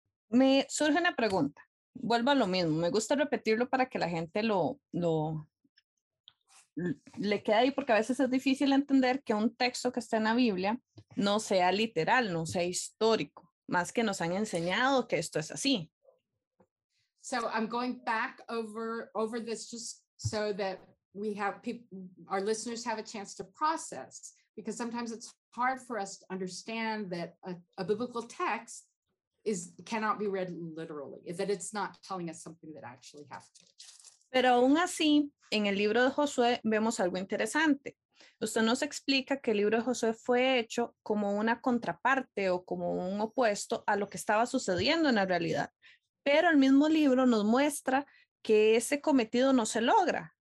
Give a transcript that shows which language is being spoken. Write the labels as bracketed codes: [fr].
[es] Me surge una pregunta. Vuelvo a lo mismo, me gusta repetirlo para que la gente le quede ahí, porque a veces es difícil entender que un texto que está en la Biblia no sea literal, no sea histórico, más que nos han enseñado que esto es así. [en] So I'm going back over this just so that we have our listeners have a chance to process, because sometimes it's hard for us to understand that a biblical text cannot be read literally, that it's not telling us something that actually happened. [es] Pero aún así, en el libro de Josué vemos algo interesante. Usted nos explica que el libro de Josué fue hecho como una contraparte o como un opuesto a lo que estaba sucediendo en la realidad. Pero el mismo libro nos muestra que ese cometido no se logra.